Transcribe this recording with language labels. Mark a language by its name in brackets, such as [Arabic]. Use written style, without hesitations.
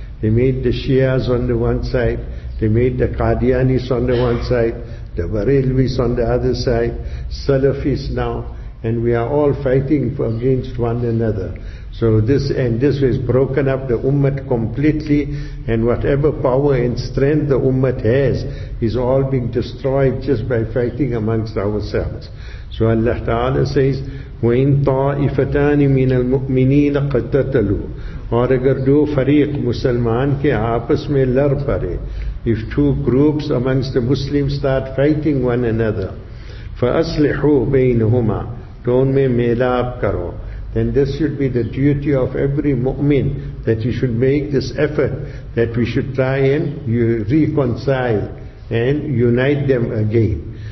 [English] They made the Shias on the one side, they made the Qadianis on the one side, the Barelvis on the other side, Salafis now, and we are all fighting against one another. So this has broken up the ummah completely, and whatever power and strength the ummah has is all being destroyed just by fighting amongst ourselves. So Allah Ta'ala says, [Arabic] وَإِن طَائِفَتَانِ مِنَ الْمُؤْمِنِينَ قَتَتَلُوا. [Urdu] اور اگر دو فریق مسلمان کے آپس میں لڑ پڑے, [English] if two groups amongst the Muslims start fighting one another, [Arabic] فَأَصْلِحُوا بَيْنَهُمَا, [Urdu] دون میں میلاب کرو, [English] then this should be the duty of every mu'min, that you should make this effort, that we should try and reconcile and unite them again.